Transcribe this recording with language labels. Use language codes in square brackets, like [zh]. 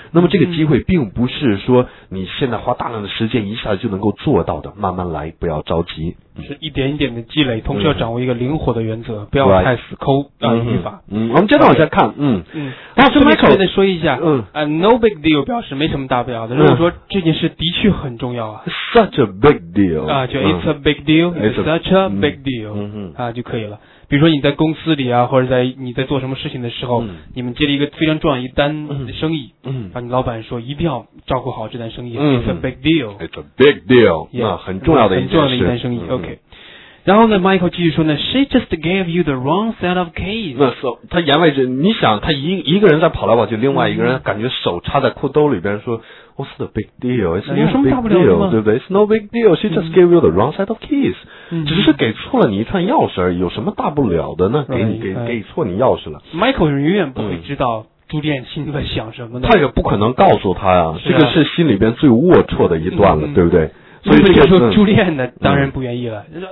[zh] 那么这个机会并不是说你现在花大量的时间一下子就能够做到的，慢慢来，不要着急。是一点一点的积累，同时要掌握一个灵活的原则，不要太死抠语法。我们接着往下看。顺便说一下，no big deal 表示没什么大不了的。如果说这件事的确很重要啊 [en] ，such a big deal [zh] 啊，就 [en] it's a big deal， it's such a big deal [zh] 啊就可以了。比如说你在公司里啊，或者在你在做什么事情的时候，你们接了一个非常重要一单的生意，你老板说一定要照顾好这单生意， [en] it's a big deal， it's a big deal， [zh] 那很重要的一件事，很重要的一单生意。OK，然后呢 [en] ，Michael [zh] 继续说呢 [en] ，She just gave you the wrong set of keys。 [zh] 那说他言外之，你想他一个人在跑来跑去，另外一个人感觉手插在裤兜里边说，说 [en] What's the big deal？ [zh] 有什么大不了的吗？对不对 [en] ？It's no big deal. She just gave you the wrong set of keys、嗯。 [zh] 只是给错了你一串钥匙而已，有什么大不了的呢？给你给错你钥匙了。 Michael 永远不会知道。朱建心里在想什么呢？他也不可能告诉他呀、啊，这个是心里边最龌龊的一段了，嗯、对不对？所以这时候朱建呢，当然不愿意了。嗯、